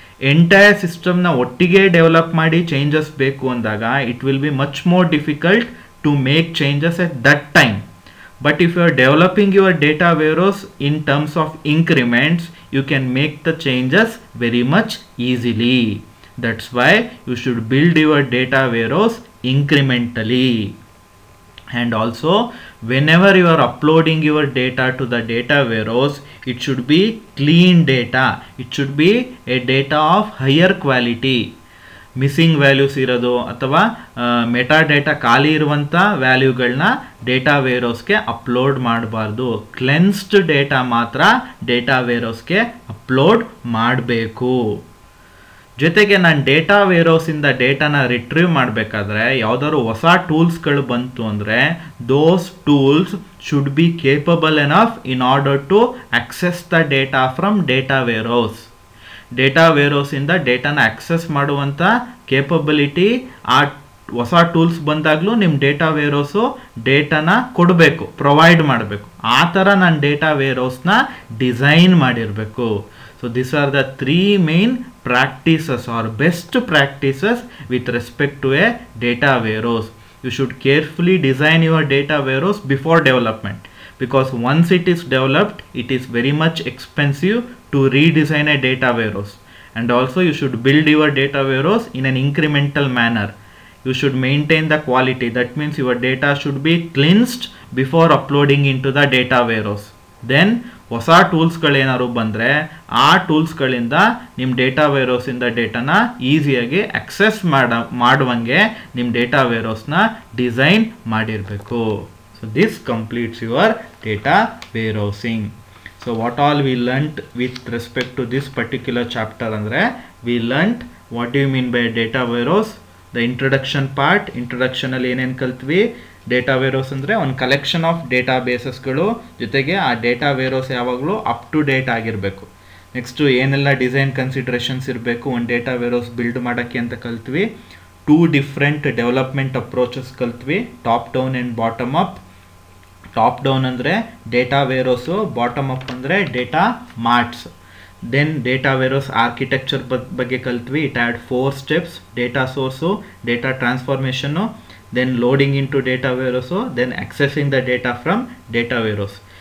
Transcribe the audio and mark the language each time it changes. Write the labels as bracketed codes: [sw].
[kn] Entire ಸಿಸ್ಟಮ್ನ ಒಟ್ಟಿಗೆ develop ಮಾಡಿ ಚೇಂಜಸ್ ಬೇಕು ಅಂದಾಗ [en] It will be much more difficult to make changes at that time. But if you are developing your data warehouse in terms of increments you can make the changes very much easily. That's why you should build your data warehouse incrementally. And also, whenever you are uploading your data to the data warehouse, it should be clean data. It should be a data of higher quality. [kn] Missing values irado athava metadata kali iruvanta value galna data warehouse ke upload madabardu. Cleansed data matra data warehouse ke upload madbeku. ಜೊತೆಗೆ ನಾನು data ವೇರೋಸ್ ಇಂದ ಡೇಟಾನ retrieve ಮಾಡಬೇಕಾದ್ರೆ ಯಾವ್ದಾದ್ರು ಹೊಸ ಟೂಲ್ಸ್ಗಳು ಬಂತು ಅಂದರೆ [en] Those tools should be capable enough in order to access the data from data warehouse. [kn] Data ವೇರೋಸ್ ಇಂದ ಡೇಟಾನ access ಮಾಡುವಂತ ಕೇಪಬಿಲಿಟಿ ಆ ಹೊಸ ಟೂಲ್ಸ್ ಬಂದಾಗಲೂ ನಿಮ್ಮ ಡೇಟಾ ವೇರೋಸು ಡೇಟಾನ ಕೊಡಬೇಕು, ಪ್ರೊವೈಡ್ ಮಾಡಬೇಕು. ಆ ಥರ ನಾನು ಡೇಟಾ ವೇರೋಸ್ನ ಡಿಸೈನ್ ಮಾಡಿರಬೇಕು. [en] So this are the three main practices or best practices with respect to a data warehouse. You should carefully design your data warehouse before development, because once it is developed, it is very much expensive to redesign a data warehouse. And also you should build your data warehouse in an incremental manner. You should maintain the quality. That means your data should be cleansed before uploading into the data warehouse. [kn] Then ಹೊಸ ಟೂಲ್ಸ್ಗಳೇನಾದ್ರು ಬಂದರೆ ಆ ಟೂಲ್ಸ್ಗಳಿಂದ ನಿಮ್ಮ data ವೇರೋಸಿಂದ ಡೇಟಾನ ಈಸಿಯಾಗಿ access ಮಾಡುವಂಗೆ ನಿಮ್ಮ data ವೇರೋಸ್ನ design ಮಾಡಿರಬೇಕು. [en] So this completes your data warehousing. So what all we learned with respect to this particular chapter ಅಂದರೆ, we learned what you mean by data warehouse, the introduction part. [kn] ಇಂಟ್ರೊಡಕ್ಷನಲ್ಲಿ ಏನೇನು ಕಲ್ತ್ವಿ, data ವೇರೋಸ್ ಅಂದರೆ ಒಂದು collection of data ಬೇಸಸ್ಗಳು, ಜೊತೆಗೆ ಆ data ವೇರೋಸ್ ಯಾವಾಗಲೂ up to date ಆಗಿರಬೇಕು. Next ಏನೆಲ್ಲ design ಕನ್ಸಿಡ್ರೇಷನ್ಸ್ ಇರಬೇಕು ಒಂದು ಡೇಟಾ ವೇರೋಸ್ ಬಿಲ್ಡ್ ಮಾಡೋಕ್ಕೆ ಅಂತ ಕಲ್ತ್ವಿ. Two different development approaches ಕಲ್ತ್ವಿ, top down and bottom up. Top down ಅಂದರೆ ಡೇಟಾ ವೇರೋಸು, ಬಾಟಮ್ ಅಪ್ ಅಂದರೆ data marts. Then data ವೇರೋಸ್ architecture ಬಗ್ಗೆ ಕಲ್ತ್ವಿ. [en] It had four steps: data source, data ಟ್ರಾನ್ಸ್ಫಾರ್ಮೇಷನ್ನು, then loading into data warehouse, then accessing the data from data warehouse.